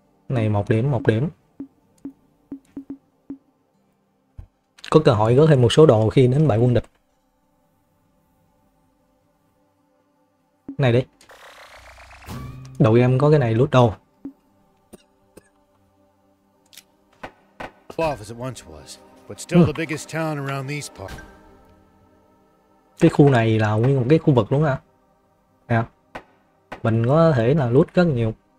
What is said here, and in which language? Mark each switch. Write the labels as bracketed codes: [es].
[vi] Này một điểm, một điểm. Có cơ hội góp thêm một số đồ khi đến bại quân địch. Này đi. Đầu game có cái này loot đồ. [en] As it once was, but still the biggest town around these parts. [vi] Cái khu này là nguyên một cái khu vực luôn hả? Nè. Mình có thể là loot rất nhiều.